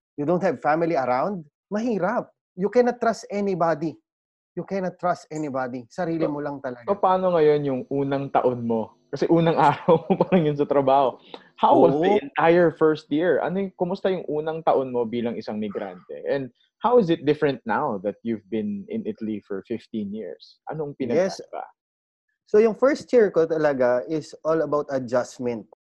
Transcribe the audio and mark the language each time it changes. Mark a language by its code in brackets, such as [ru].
[en] You don't have family around. [tl] Mahirap. [en] You cannot trust anybody. You cannot trust anybody. [tl] Sarili mo lang talaga. So, paano ngayon yung unang taon mo? Kasi unang araw mo pa lang yun sa trabaho. [en] How was the entire first year? [tl] Ano yung, kumusta yung unang taon mo bilang isang migrante? [en] And how is it different now that you've been in Italy for 15 years? [tl] Anong pinagkaiba ba? [en] So yung first year [tl] ko talaga [en] is all about adjustment.